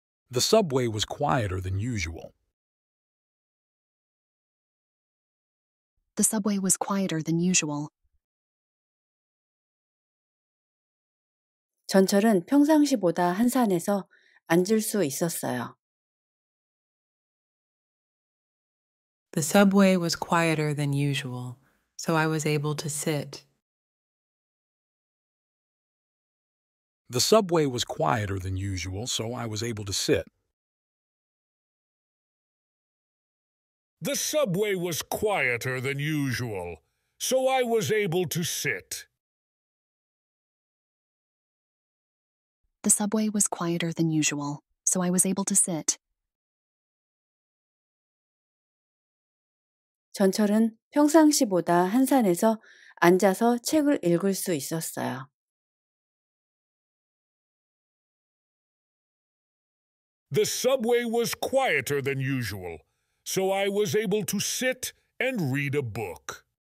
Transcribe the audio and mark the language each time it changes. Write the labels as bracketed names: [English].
[English] The subway was quieter than usual. The subway was quieter than usual. [Korean] 전철은 평상시보다 한산해서 앉을 수 있었어요. [English] The subway was quieter than usual, so I was able to sit. The subway was quieter than usual, so I was able to sit. The subway was quieter than usual, so I was able to sit. The subway was quieter than usual, so I was able to sit. [Korean] 전철은 평상시보다 한산해서 앉아서 책을 읽을 수 있었어요. [English] The subway was quieter than usual, so I was able to sit and read a book.